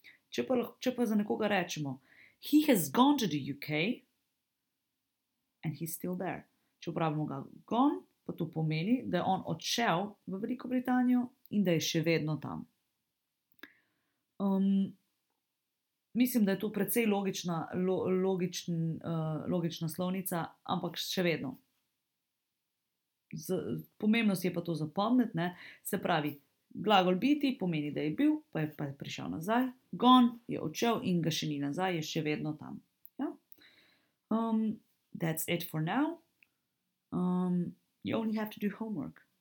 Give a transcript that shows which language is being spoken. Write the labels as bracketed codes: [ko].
[sl] Če pa za nekoga rečemo, [en] he has gone to the UK and he's still there. [sl] Če uporabljamo ga gone, pa to pomeni, da je on odšel v Veliko Britanijo in da je še vedno tam. Mislim, da je to precej logična slovnica, ampak še vedno. Pomembnost je pa to zapomniti, ne? Se pravi, glagol biti pomeni, da je bil, pa je prišel nazaj. Gone je odšel in ga še ni nazaj, je še vedno tam. Ja? [en] That's it for now. You only have to do homework.